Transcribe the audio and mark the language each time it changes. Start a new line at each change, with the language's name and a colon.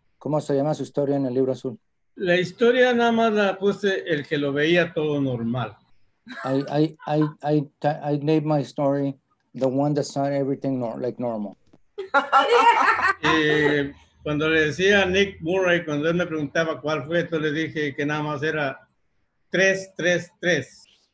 Spanish: ¿Cómo se llama su historia en el libro azul? La historia nada más la puse el que lo veía todo normal.
English: I named my story the one that saw everything like normal. Yeah.
Spanish: Cuando le decía a Nick Murray, cuando él me preguntaba cuál fue, entonces le dije que nada más era 333.